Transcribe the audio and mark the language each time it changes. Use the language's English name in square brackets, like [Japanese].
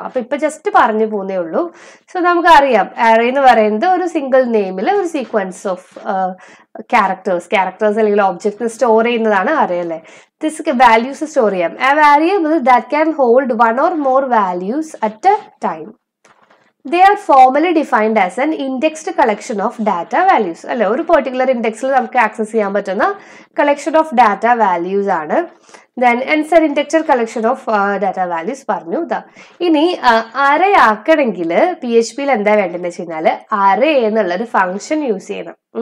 [Malayalam] അപ്പൊ ഇപ്പൊ ജസ്റ്റ് പറഞ്ഞു പോകുന്നേ ഉള്ളൂ. സോ നമുക്ക് അറിയാം, അറേ എന്ന് പറയുന്നത് ഒരു സിംഗിൾ നെയിമിൽ ഒരു സീക്വൻസ് ഓഫ് ക്യാരക്ടേഴ്സ് ക്യാരക്ടേഴ്സ് അല്ലെങ്കിൽ ഒബ്ജക്ട്സ് സ്റ്റോർ ചെയ്യുന്നതാണ് അറേ അല്ലേ. [English] this values [Malayalam] സ്റ്റോർ ചെയ്യാം. [English] A value that can hold one or more values at a time. They are formally defined as an indexed collection of data values. [Malayalam] അല്ല, ഒരു particular ഇൻഡെക്സിൽ നമുക്ക് access ചെയ്യാൻ പറ്റുന്ന [English] collection of data values [Malayalam] ആണ്. [English] then answer indexed collection of data values [Malayalam] പറഞ്ഞു. ഇനി array ആക്കണമെങ്കിൽ P H പിയിൽ എന്താ വേണ്ടതെന്ന് വെച്ച് കഴിഞ്ഞാൽ, അറേ എന്നുള്ളൊരു ഫംഗ്ഷൻ യൂസ് ചെയ്യണം.